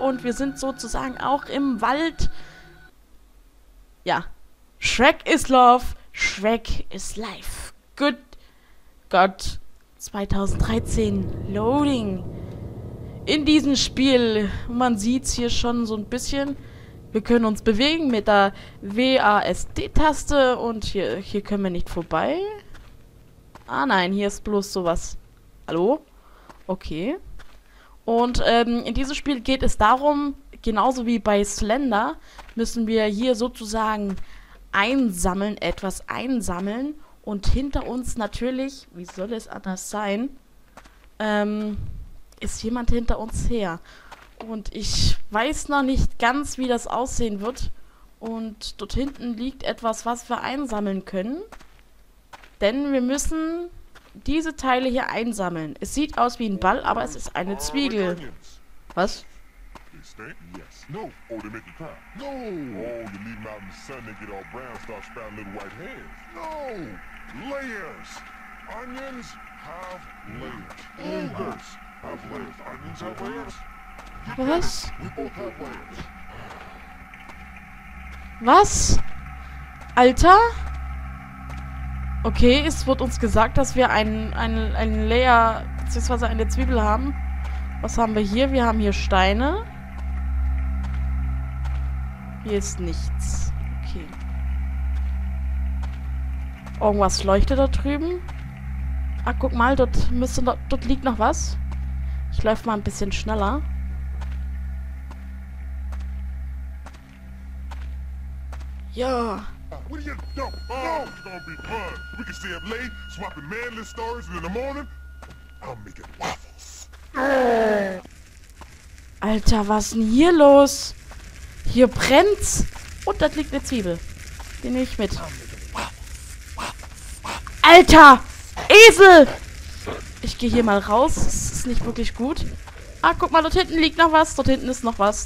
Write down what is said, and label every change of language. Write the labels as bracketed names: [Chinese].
[German] Und wir sind sozusagen auch im Wald. [English] Ja, Shrek is love, Shrek is life. Good God, 2013, loading. [German] In diesem Spiel, man sieht es hier schon so ein bisschen. Wir können uns bewegen mit der WASD-Taste und hier können wir nicht vorbei. Ah nein, hier ist bloß sowas. Hallo? Okay. Und in diesem Spiel geht es darum, genauso wie bei Slender, müssen wir hier sozusagen einsammeln, etwas einsammeln. Und hinter uns natürlich, wie soll es anders sein, ist jemand hinter uns her. Und ich weiß noch nicht ganz, wie das aussehen wird. Und dort hinten liegt etwas, was wir einsammeln können. Denn wir müssen diese Teile hier einsammeln. Es sieht aus wie ein Ball, aber es ist eine Zwiebel. Was? [English] Yes. No. Oh, they make the crap. No. Oh, you leave them out in the sun, they get all brown, start sprouting little white hairs. No. Layers. Onions have layers. Layers have layers. Onions have layers. [German] Was? [English] We both have layers. [German] Was? Alter? Okay, es wird uns gesagt, dass wir ein Layer, beziehungsweise eine Zwiebel haben. Was haben wir hier? Wir haben hier Steine. Hier ist nichts. Okay. Irgendwas leuchtet da drüben. Ah, guck mal, dort liegt noch was. Ich läuf mal ein bisschen schneller. [English] Ja. What do you do? Oh, it's gonna be fun. We can stay up late, swapping manly stories, and in the morning, I'm making waffles. [German] Alter, was ist denn hier los? Hier brennt's. Und da liegt eine Zwiebel. Die nehme ich mit. Alter! Esel! Ich gehe hier mal raus. Das ist nicht wirklich gut. Ah, guck mal, dort hinten liegt noch was. Dort hinten ist noch was.